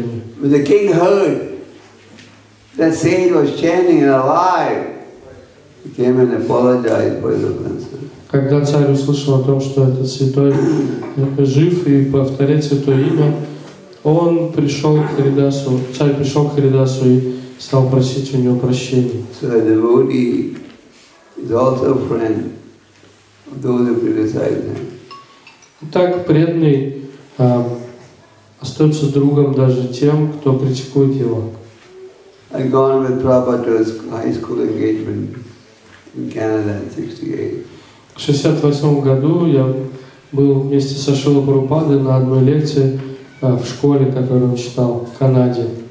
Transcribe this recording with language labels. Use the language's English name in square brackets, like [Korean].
[Russian] имя. Когда царь услышал о том, что этот святой жив и повторяет святое имя, он пришел к Харидасу, царь пришел к Харидасу и стал просить у него прощения. [English] So a devotee is also a friend of those who criticize him. [Russian] Так преданный остается другом даже тем, кто критикует его. [English] I'd gone with Prabhupada to his high school engagement in Canada in 68. [Russian] В 68 году я был вместе со Шрила Прабхупадой на одной лекции в школе, которую он читал в Канаде.